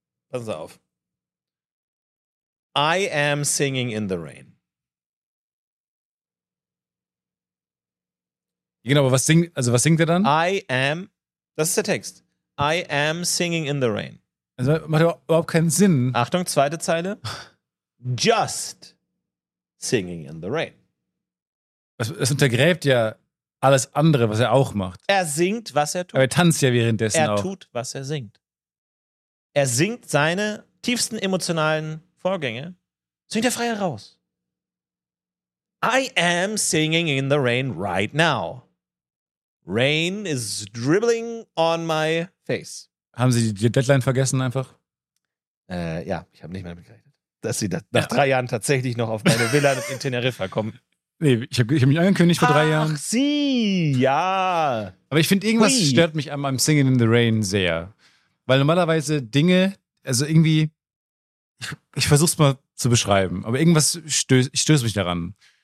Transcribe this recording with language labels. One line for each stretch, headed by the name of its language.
German: Pass auf.
English: I am singing in the rain.
German: Genau, aber was singt er dann?
English: I am,
German: das ist der Text.
English: I am singing in the rain.
German: Also macht überhaupt keinen Sinn. Achtung, 2. Zeile.
English: Just singing in the rain.
German: Das untergräbt ja alles andere, was er auch macht. Er singt, was er tut. Aber er tanzt ja währenddessen er auch. Er tut, was er singt. Er singt seine tiefsten emotionalen Vorgänge, singt er frei heraus.
English: I am singing in the rain right now. Rain is dribbling on my face.
German: Haben Sie die Deadline vergessen einfach? Ja, ich habe nicht mehr begleitet. Dass Sie nach 3 Jahren tatsächlich noch auf meine Villa in Teneriffa kommen. Nee, ich hab mich angekündigt vor 3 Jahren. Ach, Sie, ja. Aber ich finde, irgendwas stört mich an meinem Singing in the Rain sehr. Weil normalerweise Dinge, also irgendwie, ich versuche es mal zu beschreiben, aber irgendwas stößt mich daran.